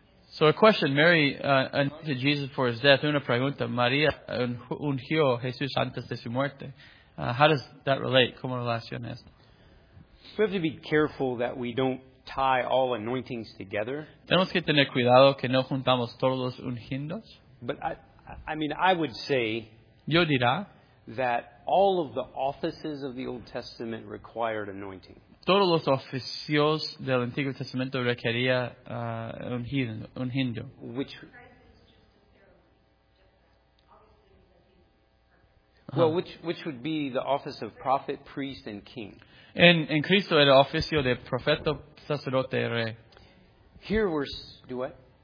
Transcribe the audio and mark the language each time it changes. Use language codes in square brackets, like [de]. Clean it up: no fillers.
[en] So a question. Mary anointed Jesus for his death. [es] Una pregunta. María ungió Jesús antes de su muerte. [en] How does that relate? [es] ¿Cómo relaciona esto? [en] We have to be careful that we don't tie all anointings together. [es] Tenemos que tener cuidado que no juntamos todos los ungidos. [en] But I mean, I would say, [es] yo dirá, [en] that all of the offices of the Old Testament required anointing. [es] Todos los oficios del Antiguo Testamento requería ungido. [en] Which, well, which would be the office of prophet, priest, and king. [es] En Cristo era oficio de profeta. Sacerdote rey. [en] Here we're duet.